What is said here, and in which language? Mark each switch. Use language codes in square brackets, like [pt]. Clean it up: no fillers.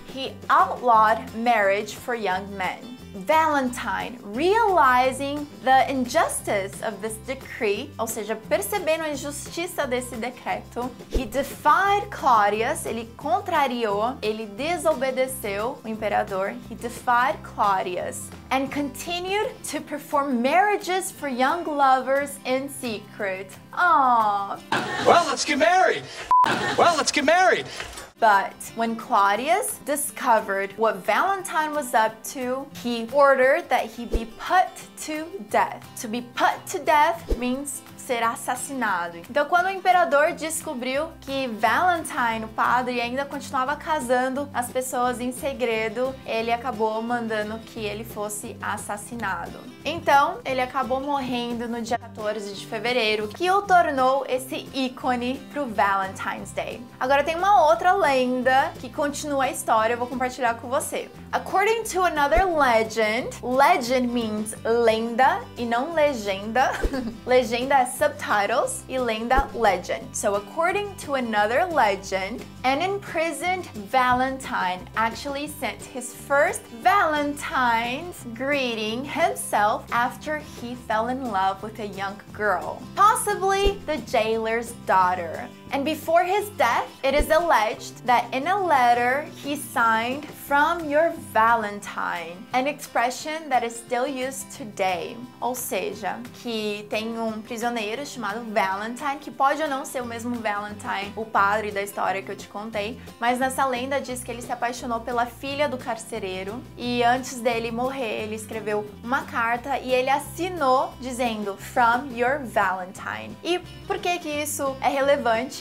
[en] He outlawed marriage for young men. Valentine, realizing the injustice of this decree, [pt] ou seja, percebendo a injustiça desse decreto, [en] he defied Claudius, [pt] ele contrariou, ele desobedeceu o imperador, [en] he defied Claudius, and continued to perform marriages for young lovers in secret. Aww. Well, let's get married! Well, let's get married! But when Claudius discovered what Valentine was up to, he ordered that he be put to death. To be put to death means [pt] ser assassinado. Então, quando o imperador descobriu que Valentine, o padre, ainda continuava casando as pessoas em segredo, ele acabou mandando que ele fosse assassinado. Então, ele acabou morrendo no dia 14 de fevereiro, que o tornou esse ícone pro Valentine's Day. Agora, tem uma outra lenda que continua a história, eu vou compartilhar com você. [en] According to another legend, legend means [pt] lenda e não legenda. Legenda é subtitles e lenda legend. [en] So according to another legend, an imprisoned Valentine actually sent his first Valentine's greeting himself after he fell in love with a young girl, possibly the jailer's daughter. And before his death, it is alleged that in a letter he signed from your Valentine, an expression that is still used today. [pt] Ou seja, que tem um prisioneiro chamado Valentine, que pode ou não ser o mesmo Valentine, o padre da história que eu te contei, mas nessa lenda diz que ele se apaixonou pela filha do carcereiro e antes dele morrer, ele escreveu uma carta e ele assinou dizendo [en] from your Valentine. [pt] E por que que isso é relevante?